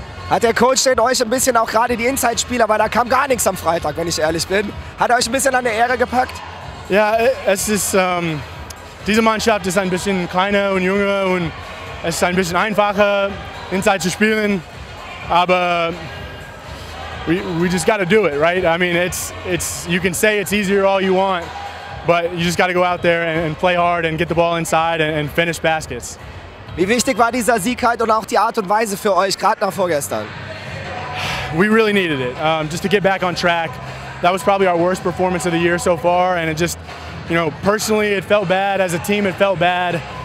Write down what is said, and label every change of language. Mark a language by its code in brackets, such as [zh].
[de] Hat der Coach denn euch ein bisschen auch gerade die Inside-Spieler, weil da kam gar nichts am Freitag, wenn ich ehrlich bin. Hat er euch ein bisschen an der Ehre gepackt? Ja, es ist, diese Mannschaft ist ein bisschen kleiner und jünger und es ist ein bisschen einfacher, Inside zu spielen. [en] Aber we just gotta do it, right? I mean, you can say it's easier all you want, but you just gotta go out there and play hard and get the ball inside and finish baskets. [de] Wie wichtig war dieser Sieg halt und auch die Art und Weise für euch, gerade nach vorgestern? [en] We really needed it, just to get back on track. That was probably our worst performance of the year so far, and it just, you know, personally it felt bad, as a team it felt bad.